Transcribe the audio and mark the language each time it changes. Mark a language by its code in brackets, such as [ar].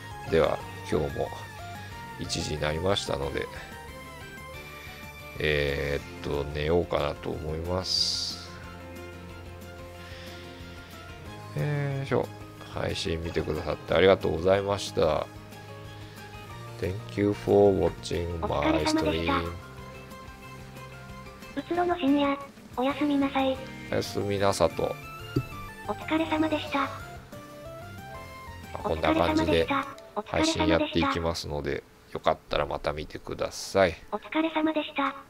[ja] では今日も1時になりましたので、寝ようかなと思います。配信見てくださってありがとうございました。 [en] Thank you for watching my stream. [ja] うつろの深夜、おやすみなさい。おやすみなさと。お疲れ様でした。こんな感じで配信やっていきますので、よかったらまた見てください。お疲れ様でした。